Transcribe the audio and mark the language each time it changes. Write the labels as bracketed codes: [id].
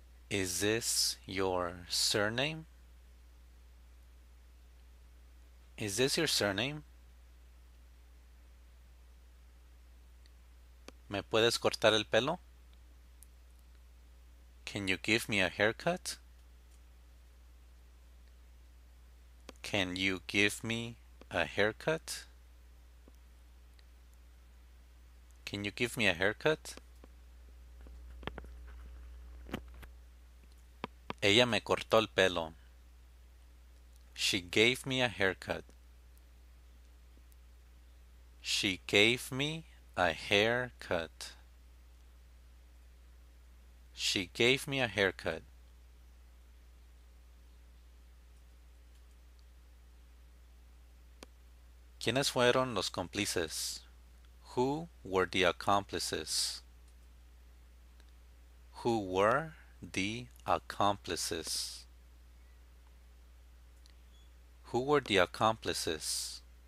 [en] Is this your surname? Is this your surname? [es] ¿Me puedes cortar el pelo? [en] Can you give me a haircut? Can you give me a haircut? Can you give me a haircut? [es] Ella me cortó el pelo. [en] She gave me a haircut. She gave me a haircut. She gave me a haircut. [es] ¿Quiénes fueron los cómplices? [en] Who were the accomplices? Who were the accomplices? Who were the accomplices?